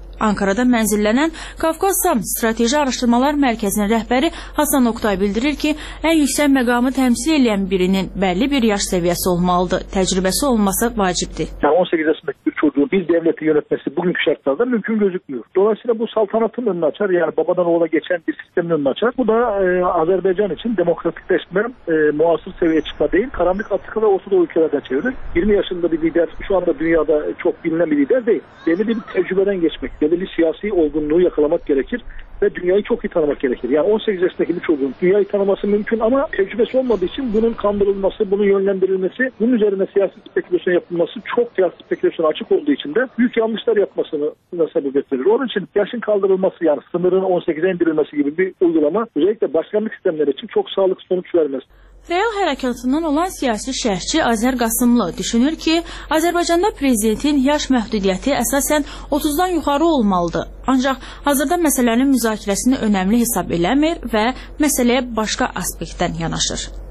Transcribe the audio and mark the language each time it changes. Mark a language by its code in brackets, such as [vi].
[az] Ankarada mənzillənən Qafqaz-SAM Strateji Araşdırmalar Mərkəzinin rəhbəri Hasan Oktay bildirir ki, ən yüksək məqamı təmsil edən birinin bəlli bir yaş səviyyəsi olmalıdır, təcrübəsi olması vacibdir. [tr] 18 yaşındakı bir çocuğu bir dövləti yönetməsi bugünkü şərtlərdə mümkün gözükmür. Dolayısıyla bu saltanatın önünü açar, yəni babadan oğula geçən bir sistemin önünü açar. Bu da Azərbaycan üçün demokratikləşmə müasir səviyyə çıxma deyil, karanlık Afrika ve Orta Doğu ülkelerden çevirir. 20 yaşında bir lider, şu anda dünyada çok bilinen bir lider değil. Yeni bir tecrübeden geçmek, belirli siyasi olgunluğu yakalamak gerekir ve dünyayı çok iyi tanımak gerekir. Yani 18 yaşındaki bir çocuğun dünyayı tanıması mümkün ama tecrübesi olmadığı için bunun kandırılması, bunun yönlendirilmesi, bunun üzerine siyasi spekülasyon yapılması çok siyasi spekülasyon açık olduğu için de büyük yanlışlar yapmasına sebep verir. Onun için yaşın kaldırılması yani sınırın 18'e indirilmesi gibi bir uygulama özellikle başkanlık sistemleri için çok sağlıklı sonuç vermez. [az] Fəal hərəkatından olan siyasi şərhçi Azər Qasımlı düşünür ki, Azərbaycanda prezidentin yaş məhdudiyyəti əsasən 30-dan yuxarı olmalıdır. Ancaq hazırda məsələnin müzakirəsini önəmli hesab eləmir və məsələyə başqa aspektdən yanaşır.